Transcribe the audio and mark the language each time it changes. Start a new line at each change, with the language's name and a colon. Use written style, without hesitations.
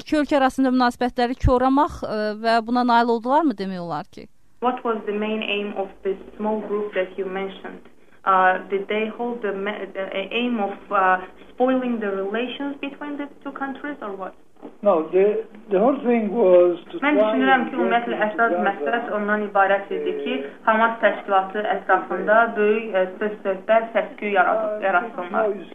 Azerbaijani: İki ölkə arasında münasibətləri koramaq və buna nail oldular mı demək olar ki?
English: What was the main aim of this small group that you mentioned? Did they hold the aim of spoiling the relations between the two countries or what? No, the whole thing was to
Azerbaijani: Mən düşünürəm ki, ümumiyyətlə, əsas məqsəd ondan ibarət idi ki, Hamas təşkilatı ətrafında böyük söz-söhbət, səs-küy yaratsınlar.